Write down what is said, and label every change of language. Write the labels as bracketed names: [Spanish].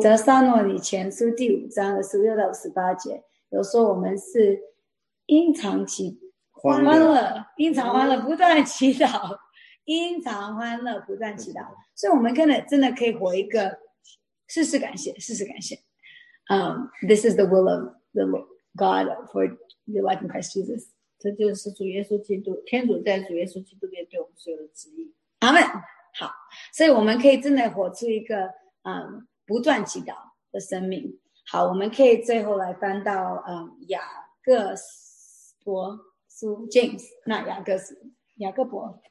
[Chinese] 5:16-18，有时候我们是因常欢乐，不断祈祷，因常欢乐不断祈祷，所以我们真的可以活一个事事感谢，事事感谢。 [English] This is the will of the God for your life in Christ Jesus. [Chinese] 这就是主耶稣基督，天主在主耶稣基督里面对我们所有的旨意。阿们。好，所以我们可以真的活出一个不断祈祷的生命。好，我们可以最后来翻到雅各伯书 James， 那雅各书，雅各伯，